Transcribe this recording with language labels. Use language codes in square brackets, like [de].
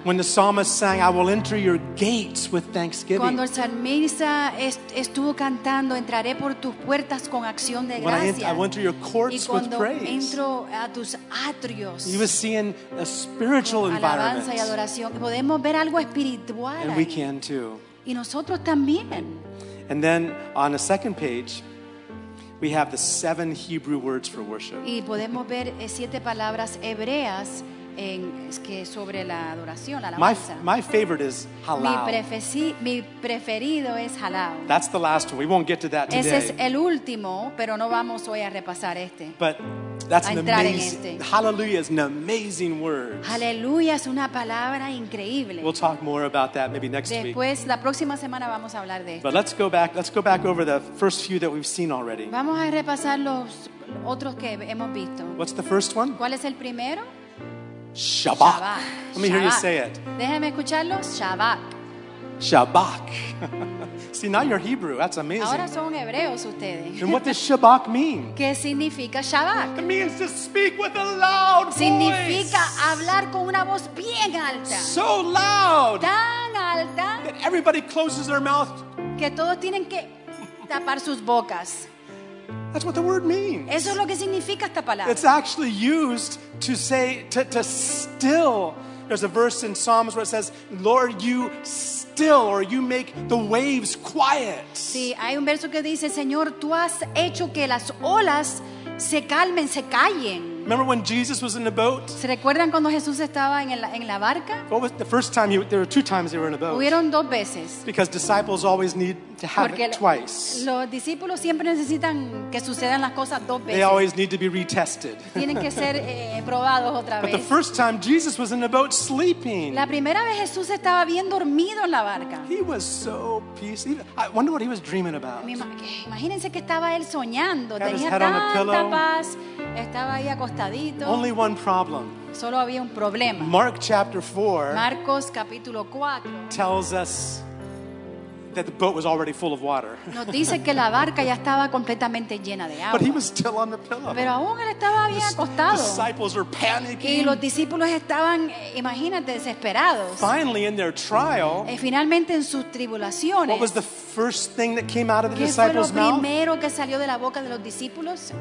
[en] When the psalmist sang, "I will enter your gates with thanksgiving." [es] Cuando el salmista estuvo cantando, "Entraré por tus puertas con acción de gracias." [en] I will enter your courts with praise. [es] Y cuando entro a tus atrios. [en] He was seeing a spiritual [es] alabanza y adoración. Podemos ver algo espiritual. [en] And we can too. [es] Y nosotros también. [en] And then on the second page, we have the seven Hebrew words for worship. [es] Y podemos ver siete palabras hebreas que sobre la adoración, la alabanza. [en] My favorite is halal. [es] Mi preferido es halal. [en] That's the last one. We won't get to that today. [es] Ese es el último, pero no vamos hoy a repasar este. [en] But that's an amazing, hallelujah is an amazing word. [es] Hallelujah es una palabra increíble. [en] We'll talk more about that maybe next week. [es] Después, la próxima semana vamos a hablar de esto. [en] But let's go back over the first few that we've seen already. [es] Vamos a repasar los otros que hemos visto. [en] What's the first one? [es] ¿Cuál es el primero? [en] Shabbat. [es] Shabbat. [en] Let me hear you say it. [es] Déjame escucharlo. Shabbat. [en] Shabbat. See, now you're Hebrew. That's amazing. [es] Ahora son hebreos ustedes. [en] And what does Shabbat mean? [es] ¿Qué significa Shabbat? [en] It means to speak with a loud voice. [es] Significa hablar con una voz bien alta. [en] So loud. [es] Tan alta. [en] That everybody closes their mouth. [es] Que todos tienen que tapar sus bocas. [en] That's what the word means. [es] Eso es lo que significa esta palabra. [en] It's actually used to say, to still. There's a verse in Psalms where it says, "Lord, you still, or you make the waves quiet." [es] Sí, hay un verso que dice, "Señor, tú has hecho que las olas se calmen, se callen." [en] Remember when Jesus was in the boat? [es] ¿Se recuerdan cuando Jesús estaba en la barca? [en] What was the first time? There were two times they were in a boat. [es] Hubieron dos veces. [en] Because disciples always need to have [es] Porque [en] it twice. [es] Los discípulos siempre necesitan que sucedan las cosas dos veces. [en] They always need to be retested. [es] Tienen que ser probados otra vez. [en] But the first time Jesus was in the boat sleeping. [es] La primera vez Jesús estaba bien dormido en la barca. [en] He was so peaceful. I wonder what he was dreaming about. [es] Imagínense que estaba él soñando. [en] Had [es] tenía [en] his head [es] tanta [en] on a pillow. [es] Paz. Estaba ahí acostadito. [en] Only one problem. [es] Solo había un problema. [en] Mark chapter 4. [es] Marcos capítulo 4. [en] Tells us that the boat was already full of water. [es] Nos dice que la barca ya estaba completamente llena de agua. [en] But he was still on the pillow. [es] Pero aún él estaba bien acostado. [en] The disciples were panicking. [es] Y los discípulos estaban, imagínate, desesperados. [en] Finally, in their trial. [es] Y finalmente en sus tribulaciones. [en] What was the first thing that came out of the disciples' mouth? [es] ¿Qué fue lo primero que salió de la boca de los discípulos?